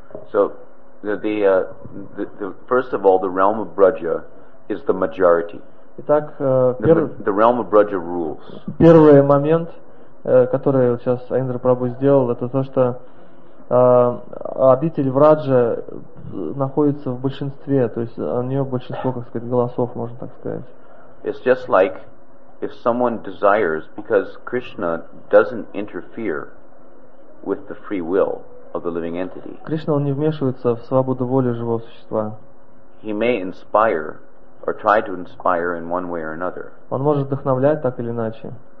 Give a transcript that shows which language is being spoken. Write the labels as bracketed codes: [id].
[en] So the first of all, the realm of Braja is the majority. [ru] Итак, [en] the realm of Braja rules. [ru] Первый момент, который сейчас Аиндра Прабху сделал, это то, что обитель Враджа находится в большинстве, то есть у нее большинство, как сказать, голосов, можно так сказать. [en] It's just like if someone desires, because Krishna doesn't interfere with the free will of the living entity. [ru] Кришна, он не вмешивается в свободу воли живого существа. [en] He may inspire or try to inspire in one way or another. [ru] Он может вдохновлять так или иначе.